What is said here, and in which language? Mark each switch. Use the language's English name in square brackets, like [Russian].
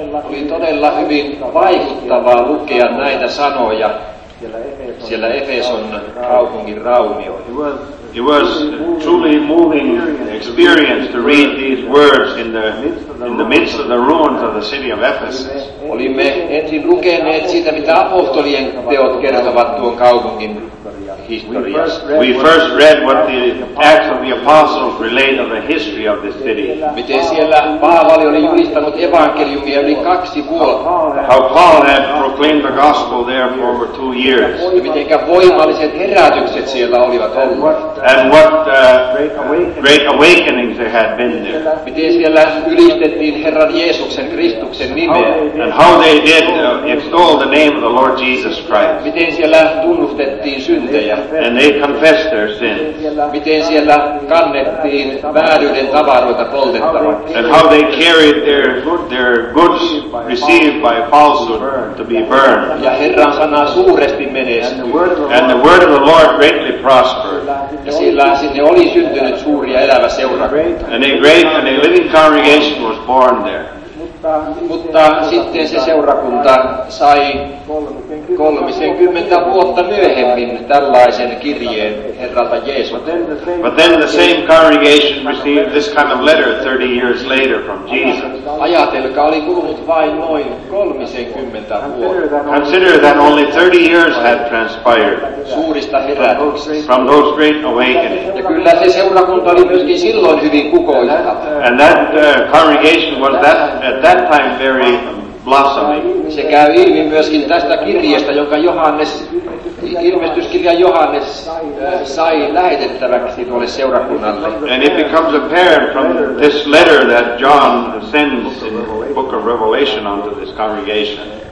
[Finnish] Oli todella hyvin vaikuttavaa lukea näitä sanoja siellä Efeson kaupungin raunioilla. [English] It was a truly moving experience to read these words in the midst of the ruins of the city of Ephesus. [Finnish] Olimme ensin lukeneet siitä, mitä apostolien teot kertovat tuon kaupungin historiasta. [English] We first read what the Acts of the Apostles relate of the history of this city. [Finnish] Miten siellä Paavali oli julistanut evankeliumia yli 2 vuotta. [English] How Paul had proclaimed the gospel there for over 2 years. [Finnish] Ja mitenkä voimalliset herätykset siellä olivat olleet. [English] And what great awakenings there had been there. [Finnish] Miten siellä ylistettiin Herran Jeesuksen Kristuksen nimeä. [English] And how they did extol the name of the Lord Jesus Christ. [Finnish] Miten siellä tunnustettiin syntejä. [English] And they confessed their sins. [Finnish] Miten siellä kannettiin vääryyden tavaroita poltettavaksi. [English] And how they carried their goods received by falsehood to be burned. [Finnish] Ja Herran sana suuresti menestyi. [English] And the word of the Lord greatly prospered. [Finnish] Ja sillä sinne oli syntynyt suuri ja elävä seurakunta. [English] And a great and a living congregation was born there. [Finnish] Mutta sitten se seurakunta sai 30 vuotta myöhemmin tällaisen kirjeen Herralta Jeesukselta. [English] But then the same congregation received this kind of letter 30 years later from Jesus. [Finnish] Ajatelkaa, oli kulunut vain noin 30 vuotta. [English] Consider that only 30 years had transpired [Finnish] suurista herätyksistä. [English] From those great awakenings. [Finnish] Ja kyllä se seurakunta oli myöskin silloin hyvin kukoistava. [English] And that congregation was that at that time very blossoming. [Finnish] Se käy ilmi myöskin tästä kirjeestä, jonka Johannes, ilmestyskirja Johannes, sai lähetettäväksi tuolle seurakunnalle. [English] And it becomes apparent from this letter that John sends in the book of Revelation unto this congregation.